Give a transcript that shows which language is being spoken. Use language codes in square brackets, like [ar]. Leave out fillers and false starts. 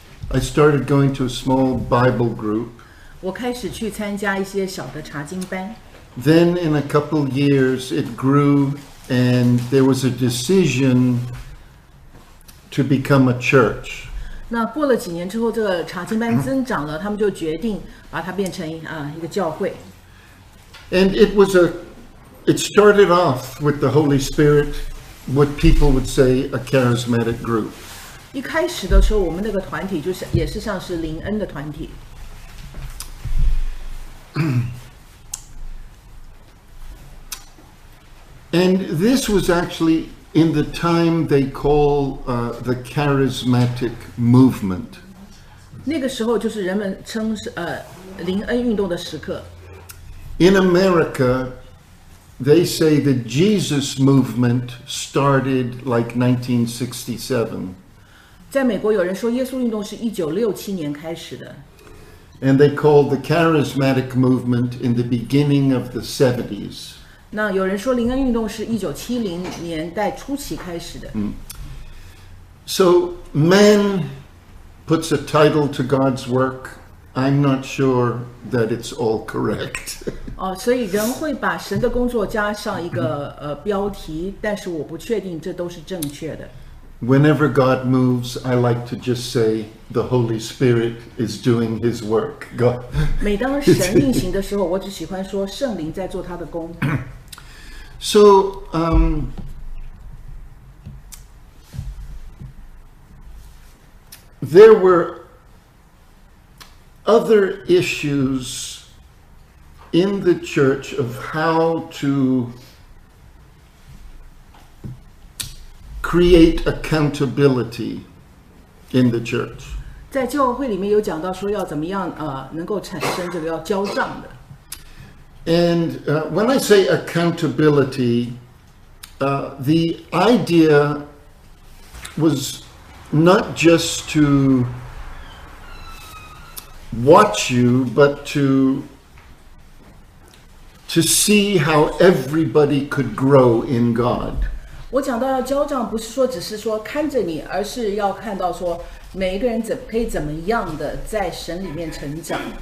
[en] I started going to a small Bible group. [zh] 我开始去参加一些小的查经班。 [en] Then in a couple years, it grew and there was a decision to become a church. [zh] 那过了几年之后，这个查经班增长了，他们就决定把它变成一个教会。 [en] And it started off with the Holy Spirit, what people would say, a charismatic group. [zh] 一开始的时候，我们那个团体就是也是像是灵恩的团体。 [en] And this was actually in the time they call the charismatic movement. [zh] 那个时候就是人们称灵恩运动的时刻。 [en] In America, they say the Jesus movement started like 1967. [zh] 在美国有人说耶稣运动是1967年开始的。 [en] And they called the charismatic movement in the beginning of the 70s. [zh] 那有人说灵恩运动是1970年代初期开始的。 [en] So man puts a title to God's work. I'm not sure that it's all correct. [zh] 哦，所以人会把神的工作加上一个标题，但是我不确定这都是正确的。 [en] Whenever God moves, I like to just say the Holy Spirit is doing His work. God. [zh] 每当神运行的时候，我只喜欢说圣灵在做他的工。 [en] So, there were. Other issues in the church of how to create accountability in the church. [zh] 在教会里面有讲到说要怎么样能够产生这个要交账的。 [en] And when I say accountability, the idea was not just to. Watch you, but to see how everybody could grow in God. [zh] 我讲到要交账，不是说只是说看着你，而是要看到说每一个人怎可以怎么样的在神里面成长。